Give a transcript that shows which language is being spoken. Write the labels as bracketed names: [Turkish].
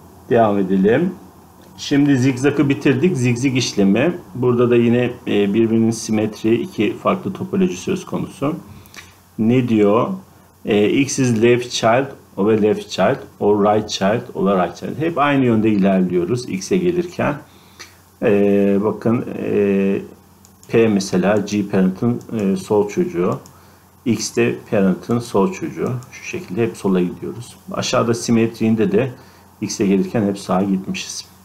[Turkish] Devam edelim. Şimdi zigzagı bitirdik. Zigzag işlemi. Burada da yine birbirinin simetri, iki farklı topoloji söz konusu. Ne diyor? [English] X is left child over left child or right child over right child. [Turkish] Hep aynı yönde ilerliyoruz X'e gelirken. Bakın P mesela G parent'ın sol çocuğu. X de parent'ın sol çocuğu. Şu şekilde hep sola gidiyoruz. Aşağıda simetriğinde de X'e gelirken hep sağa gitmişiz.